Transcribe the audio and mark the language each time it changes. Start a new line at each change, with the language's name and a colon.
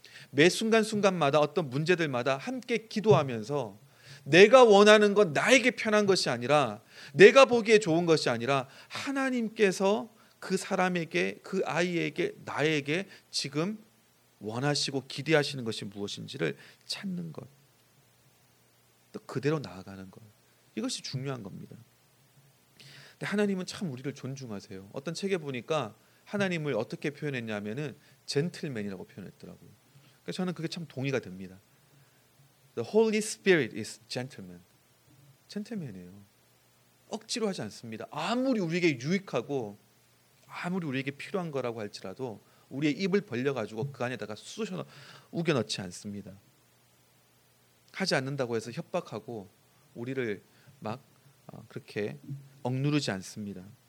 Korean: 매 순간순간마다 어떤 문제들마다 함께 기도하면서 내가 원하는 건 나에게 편한 것이 아니라 내가 보기에 좋은 것이 아니라 하나님께서 그 사람에게 그 아이에게 나에게 지금 원하시고 기대하시는 것이 무엇인지를 찾는 것. 또 그대로 나아가는 것. 이것이 중요한 겁니다. 근데 하나님은 참 우리를 존중하세요. 어떤 책에 보니까 하나님을 어떻게 표현했냐면은 젠틀맨이라고 표현했더라고요. 그러니까 저는 그게 참 동의가 됩니다.
English: The Holy Spirit is gentleman.
Korean: 젠틀맨이에요. 억지로 하지 않습니다. 아무리 우리에게 유익하고 아무리 우리에게 필요한 거라고 할지라도 우리의 입을 벌려가지고 그 안에다가 쑤셔 우겨넣지 않습니다. 하지 않는다고 해서 협박하고 우리를 막 그렇게 억누르지 않습니다.